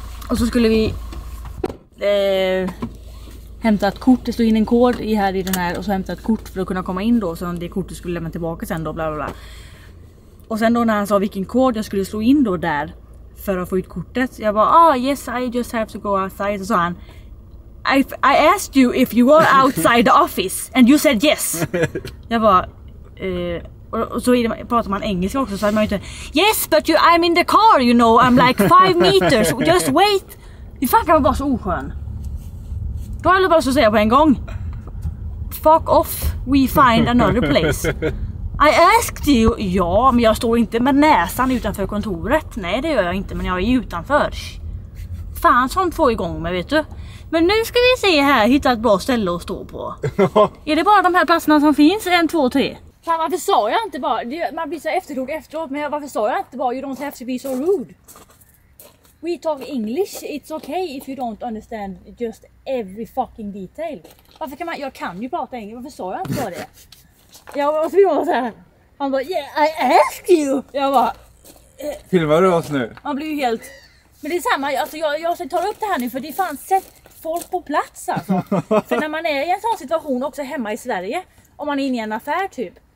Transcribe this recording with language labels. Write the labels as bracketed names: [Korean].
[Swedish] Och så skulle vi hämta ett kort, det stod in en kod i här i den här, och så hämta ett kort för att kunna komma in då, så det kortet skulle lämna tillbaka sen då, bla bla bla. Och sen då när han sa vilken kod jag skulle slå in då där för att få ut kortet, jag bara, [English] ah yes, I just have to go outside. [Swedish] Så sa han, [English] I asked you if you were outside the office and you said yes. [Swedish] Jag bara, och så pratar man engelska också, så man inte, [English] yes, but you, I'm in the car, you know, I'm like 5 meters, just wait. [Swedish] Hur fan kan man vara så oskön? Då har jag bara så att säga på en gång, [English] fuck off, we find another place. I asked you. [Swedish] Ja, men jag står inte med näsan utanför kontoret. Nej, det gör jag inte, men jag är ju utanför. Fan, sånt får igång med, vet du. Men nu ska vi se här, hitta ett bra ställe att stå på. Är det bara de här platserna som finns? En, två, tre. Fan, varför sa jag inte bara? Man blir så efterklok efteråt, men varför sa jag inte bara? [English] You don't have to be so rude. We talk English, it's okay if you don't understand just every fucking detail. [Swedish] Varför kan man, jag kan ju prata engelska, varför sa jag inte bara det? Jag bara, och så var så här. Han bara, [English] yeah, I ask you. [Swedish] Jag bara, filmar du oss nu? Man blir ju helt, men det är samma, alltså jag ska ta upp det här nu för det fanns sett folk på plats alltså. För när man är i en sån situation också hemma i Sverige, om man är inne i en affär typ.